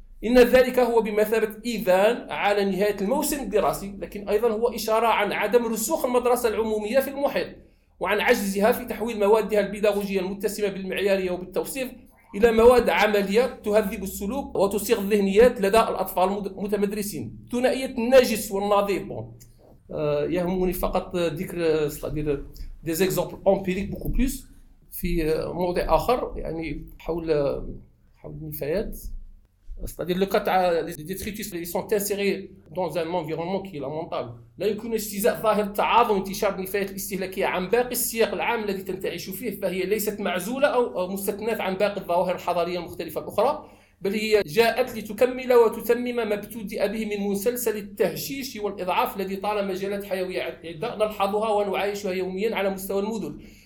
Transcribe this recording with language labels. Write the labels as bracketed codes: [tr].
[ar] إن ذلك هو بمثابة إذان على نهاية الموسم الدراسي، لكن أيضا هو إشارة عن عدم رسوخ المدرسة العمومية في المحيط وعن عجزها في تحويل موادها البيداغوجية المتسمة بالمعيارية وبالتوصيف إلى مواد عملية تهذب السلوك وتصيغ الذهنيات لدى الأطفال المتمدرسين. ثنائية النجس والنظيف يهمني فقط ذكر [fr] ديزيكزامبل أمبيريك بوكو بلوس [ar] في موضع آخر، يعني حول النفايات. [fr] C'est-à-dire le cas des détritus, ils sont insérés dans un environnement qui est lamentable. [ar] لا يكون اجتزاء ظاهر التعاظم انتشار النفايات الاستهلاكية عن باقي السياق العام الذي تنتعش فيه، فهي ليست معزولة أو مستثناة عن باقي الظواهر الحضارية المختلفة الأخرى، بل هي جاءت لتكمل وتتمم ما ابتدأ به من مسلسل التهشيش والإضعاف الذي طال مجالات حيوية عدة نلحظها ونعايشها يوميا على مستوى المدن.